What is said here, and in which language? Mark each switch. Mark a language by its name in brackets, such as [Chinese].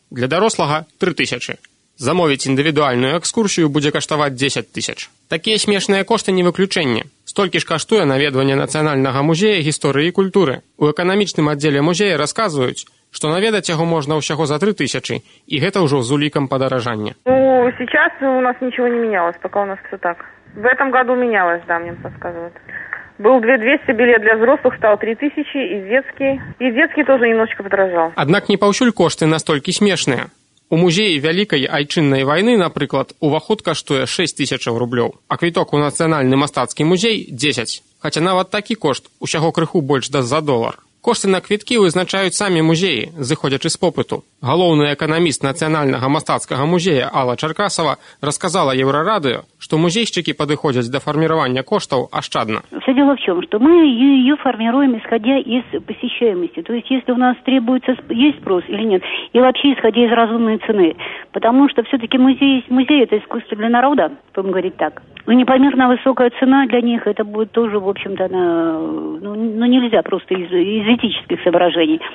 [Belarusian] Для дарослага 3000. Замовіць індывідуальную экскурсію будзе каштаваць 10 тысяч. Такія смешныя кошты не выключэнне. Столькі ж каштуе наведванне Нацыянальнага музея гісторыі і культуры. У эканамічным аддзеле музея расказваюць, што наведаць яго можна ўсяго за 3 тысячы, і гэта ўжо з улікам падаражання. [Russian] Ну, сейчас у нас нічого не менялось, пока у нас всё так. В этом году менялось, да, мне подсказывают. Был 2200 билет для взрослых, стал 3000, и детский. И детский тоже немножечко подорожал. Однако не паўсюль кошты настолько смешные. У музеи Великой Айчинной войны, например, уваход каштуе 6000 рублей, а квиток у Национальный мастацкий музей 10. [Belarusian] Хотя нават такі кошт усяго крыху больш [Russian] даст за [Belarusian] долар. Кошты на квіткі вызначаюць самі музеі, зыходзячы з попыту. Галоўны эканаміст Нацыянальнага мастацкага музея Алла Чаркасова расказала Еўрарадыё, што музейшчыкі падыходзяць да фарміравання коштаў ашчадна. [Russian] Все дело в чём, [Belarusian] што мы её фарміруем, [Russian] исходя из посещаемости. То есть, если у нас требуется, есть спрос или нет, и вообще исходя из разумной цены. Потому что всё-таки музей – это искусство для народа, будем говорить так. Ну, непомерно высокая цена для них, это будет тоже, в общем-то, она, ну, нельзя просто из этических соображений.